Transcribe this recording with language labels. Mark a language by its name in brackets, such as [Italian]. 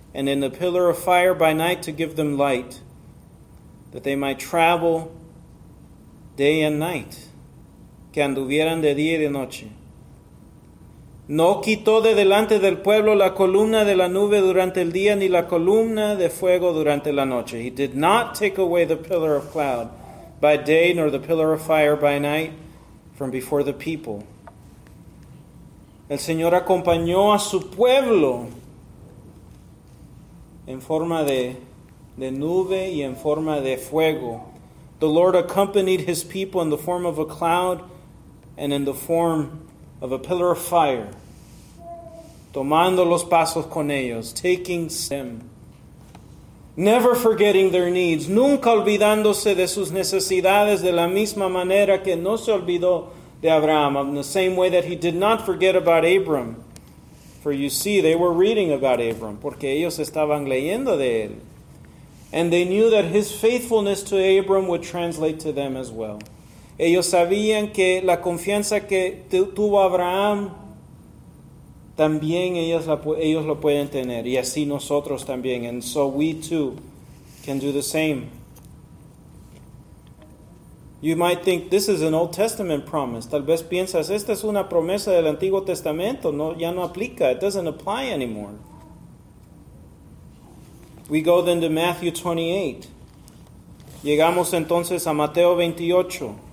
[English] And in a pillar of fire by night to give them light. That they might travel day and night. [Spanish] Que anduvieran de día y de noche. No quitó de delante del pueblo la columna de la nube durante el día ni la columna de fuego durante la noche. [English] He did not take away the pillar of cloud by day nor the pillar of fire by night from before the people. [Spanish] El Señor acompañó a su pueblo en forma de nube y en forma de fuego. [English] The Lord accompanied his people in the form of a cloud and in the form of a pillar of fire. [Spanish] Tomando los pasos con ellos. [English] Taking them. Never forgetting their needs. [Spanish] Nunca olvidándose de sus necesidades. De la misma manera que no se olvidó de Abraham. [English] In the same way that he did not forget about Abram. For you see, they were reading about Abram. [Spanish] Porque ellos estaban leyendo de él. [English] And they knew that his faithfulness to Abram would translate to them as well. [Spanish] Ellos sabían que la confianza que tuvo Abraham, también ellos lo pueden tener. Y así nosotros también. [English] And so we too can do the same. You might think this is an Old Testament promise. [Spanish] Tal vez piensas, esta es una promesa del Antiguo Testamento. No, ya no aplica. [English] It doesn't apply anymore. We go then to Matthew 28. [Spanish] Llegamos entonces a Mateo 28.